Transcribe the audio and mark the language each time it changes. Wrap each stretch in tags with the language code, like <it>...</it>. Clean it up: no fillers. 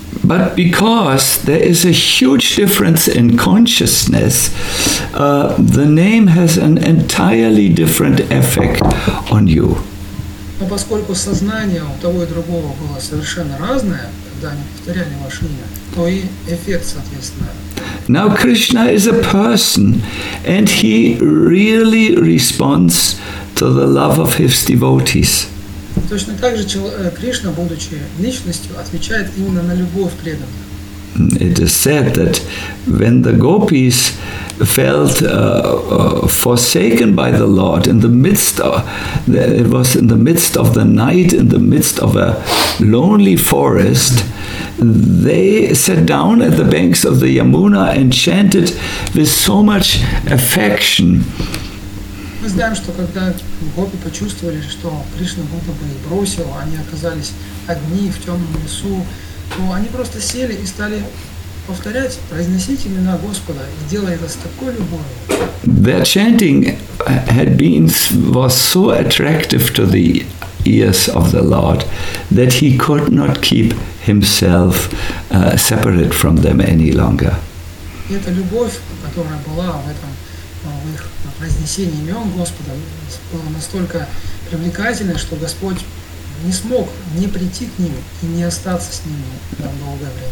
<en>But because there is a huge difference in consciousness, the name has an entirely different effect on you.</en> <ru>Но поскольку сознание у того и другого было совершенно разное, когда они повторяли ваше имя, то и эффект, соответственно.</ru> <en>Now Krishna is a person, and he really responds to the love of his devotees.</en> <ru>Точно так же Кришна, будучи личностью, отвечает именно на любовь преданных.</ru> <en>It is said that when the gopis felt forsaken by the Lord in the midst of, it was in the midst of the night, in the midst of a lonely forest, they sat down at the banks of the Yamuna and chanted with so much affection.</en> <ru>Мы знаем, что когда гопи почувствовали, что Кришна будто бы их бросил, они оказались одни в темном лесу, то они просто сели и стали повторять, произносить имена Господа и делая это с такой любовью.</ru> <en>Their chanting had been was so attractive to the ears of the Lord that he could not keep himself separate from them any longer.</en> <ru>И эта любовь, которая была в этом в их произнесении имен Господа, была настолько привлекательной, что Господь не смог не прийти к ним и не остаться с ними на долгое время.</ru>